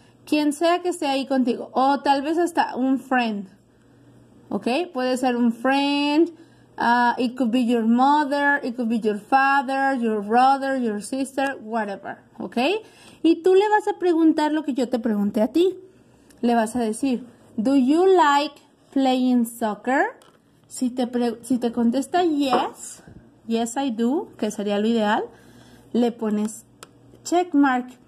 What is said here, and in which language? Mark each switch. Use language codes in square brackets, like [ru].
[es] Quien sea que esté ahí contigo, o tal vez hasta un friend, ¿ok? Puede ser un friend, [en] it could be your mother, it could be your father, your brother, your sister, whatever, ¿ok? [es] Y tú le vas a preguntar lo que yo te pregunté a ti. Le vas a decir, [en] do you like playing soccer? [es] Si te contesta [en] yes, yes I do, [es] que sería lo ideal, le pones check mark.